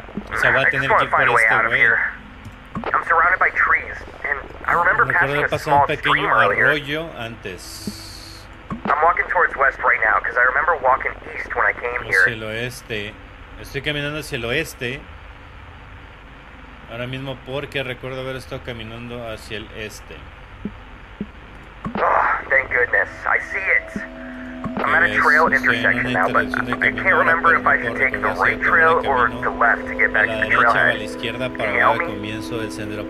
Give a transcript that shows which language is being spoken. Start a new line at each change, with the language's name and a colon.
English: I just want to find a way out of here. I'm surrounded by trees, and I remember passing a small stream earlier. I'm walking towards west right now, because I remember walking east when I came here.
Spanish: Estoy caminando hacia el oeste. Ahora mismo, porque recuerdo haber estado caminando hacia el este.
English: Oh, thank goodness. I see it. I'm at a trail intersection now, but I can't remember if I should take the right trail or the left to get back to the trailhead.
Spanish: A la izquierda para el comienzo del sendero.